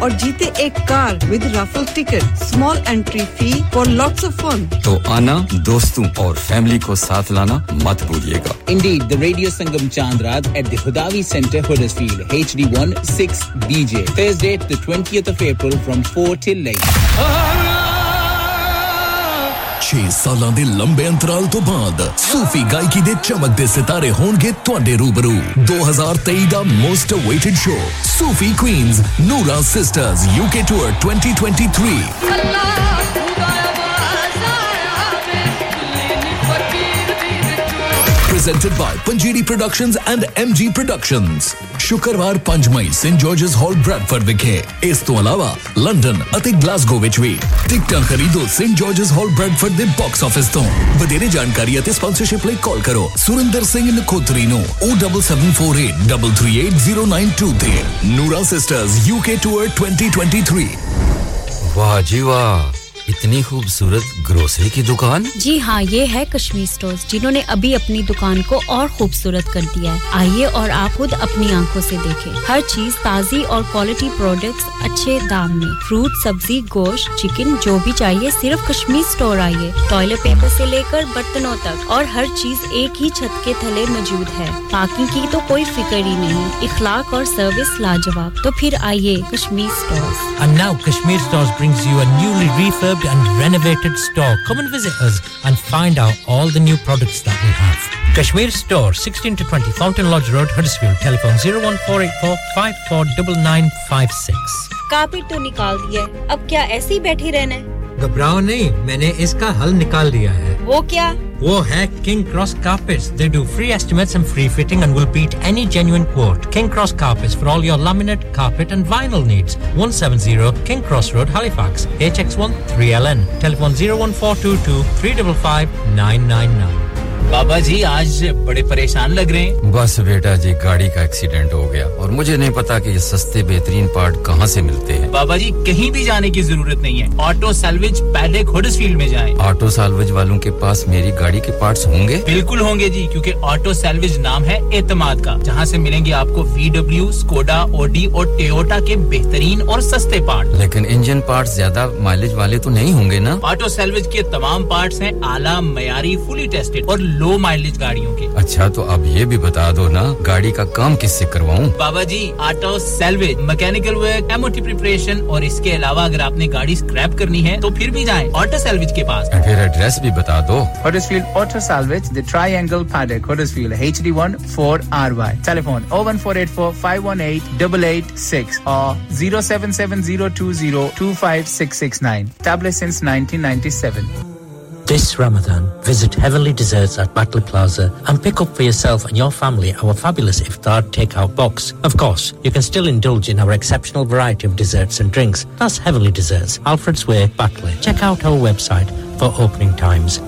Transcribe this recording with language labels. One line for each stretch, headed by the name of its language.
Hindi: और जीते एक car
English: with raffle ticket small entry fee for lots of fun
Hindi: तो आना दोस्तों और फैमिली को साथ लाना मत भूलिएगा
English: indeed the radio Sangam Chand Raat at the Hudawi centre Huddersfield HD16BJ Thursday the 20th of April from 4 till 8
Punjabi: 6 ਸਾਲਾਂ ਦੇ ਲੰਬੇ ਅੰਤਰਾਲ ਤੋਂ ਬਾਅਦ ਸੂਫੀ ਗਾਇਕੀ ਦੇ ਚਮਕਦੇ ਸਿਤਾਰੇ ਹੋਣਗੇ ਤੁਹਾਡੇ ਰੂਬਰੂ 2023 ਦਾ most awaited show Sufi Queen's Noora sisters UK tour 2023 ਪ੍ਰੈਜੈਂਟਡ by panjiri productions and MG productions ਸ਼ੁੱਕਰਵਾਰ 5 ਮਈ ਸੇਂਟ ਜਾਰਜਸ ਹਾਲ ਬ੍ਰੈਡਫੋਰਡ ਵਿਖੇ ਇਸ ਤੋਂ ਇਲਾਵਾ ਲੰਡਨ ਅਤੇ ਗਲਾਸਗੋ ਵਿੱਚ ਵੀ ਟਿਕਟਾਂ ਖਰੀਦੋ ਸੇਂਟ ਜਾਰਜਸ ਹਾਲ ਬ੍ਰੈਡਫੋਰਡ ਦੇ ਬਾਕਸ ਆਫਿਸ ਤੋਂ ਵਧੇਰੇ ਜਾਣਕਾਰੀ ਅਤੇ ਸਪਾਂਸਰਸ਼ਿਪ ਲਈ ਕਾਲ ਕਰੋ ਸੁਰਿੰਦਰ ਸਿੰਘ ਨਖੋਤਰੀ ਨੂੰ 07484833892 ਤੇ ਨੂਰਾ ਸਿਸਟਰਸ ਯੂਕੇ ਟੂਰ 2023 ਵਾਹ ਜੀ ਵਾਹ
Hindi: इतनी खूबसूरत ग्रोसरी की दुकान जी हां ये है कश्मीर स्टोर्स जिन्होंने अभी अपनी दुकान को और खूबसूरत कर दिया है आइए और आप खुद अपनी आंखों से देखें हर चीज ताजी और क्वालिटी प्रोडक्ट्स अच्छे दाम में फ्रूट सब्जी गोश्त चिकन जो भी चाहिए सिर्फ कश्मीर स्टोर आइए टॉयलेट पेपर से लेकर बर्तनों तक और हर चीज एक ही छत के तले मौजूद है पार्किंग की तो कोई फिक्र ही नहीं इखलाक और सर्विस लाजवाब तो फिर आइए Kashmir stores
English: And now Kashmir stores brings you a newly reef and renovated store. Come and visit us and find out all the new products that we have. Kashmir Store, 16 to 20 Fountain Lodge Road, Huddersfield. Telephone 01484 549956.
Hindi: Carpet to nikal diya hai. Ab kya aise hi baithi rehna hai? घबराओ नहीं मैंने इसका हल निकाल दिया है वो क्या वो है
English: King Cross Carpets they do free estimates and free fitting and will beat any genuine quote King Cross Carpets for all your laminate carpet and vinyl needs 170 King Cross Road Halifax HX1 3LN telephone 01422 355 999
Hindi: बाबा जी आज बड़े परेशान लग रहे हैं। बस बेटा जी गाड़ी का एक्सीडेंट हो गया और मुझे नहीं पता कि ये सस्ते बेहतरीन पार्ट कहां से मिलते हैं। बाबा जी कहीं भी जाने की जरूरत नहीं है, ऑटो सेल्वेज पहले हडर्सफील्ड में जाएं। ऑटो सेल्वेज वालों के पास मेरी गाड़ी के पार्ट्स होंगे? बिल्कुल होंगे जी, क्योंकि ऑटो सेल्वेज नाम है एतमाद का, जहां से मिलेंगे आपको VW, स्कोडा, ऑडी और टोयोटा के बेहतरीन और सस्ते पार्ट। लेकिन इंजन पार्ट्स ज्यादा माइलेज वाले तो नहीं होंगे ना? ऑटो सेल्वेज के तमाम पार्ट्स हैं आला मयारी, फुली टेस्टेड और लो माइलेज गाड़ियों के। अच्छा तो आप ये भी बता दो ना, गाड़ी का काम किससे करवाऊं? बाबा जी auto salvage mechanical work, MOT preparation और इसके अलावा अगर आपने गाड़ी स्क्रैप करनी है तो फिर भी जाएं ऑटो सेल्वेज के पास। और फिर एड्रेस भी बता दो। Huddersfield auto salvage, the triangle paddock, Huddersfield, HD1 4RY, telephone 01484518886 और 07702025669,
English: tablet since
Hindi: 1997।
English: This Ramadan, visit Heavenly Desserts at Butler Plaza and pick up for yourself and your family our fabulous iftar takeout box. Of course, you can still indulge in our exceptional variety of desserts and drinks. That's Heavenly Desserts, Alfred's Way, Butler. Check out our website for opening times.